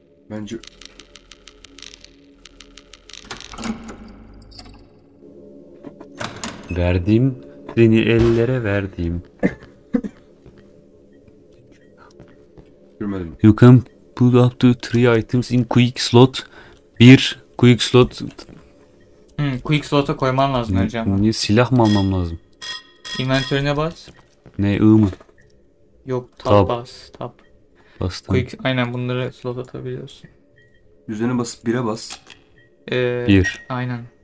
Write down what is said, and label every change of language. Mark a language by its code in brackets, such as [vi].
[tr] Bence... Verdiğim seni ellere verdiğim. Görmedim. [en] You can put up to 3 items in quick slot. 1 quick slot. [tr] Quick slot'a koyman lazım hocam. Niye silah mı almam lazım? Inventory'ne bas. Ne I mı? Yok tab bas. Tab. Bastım. Quick, aynen bunları slot atabiliyorsun. Üzerine basıp 1'e bas. 1. Aynen.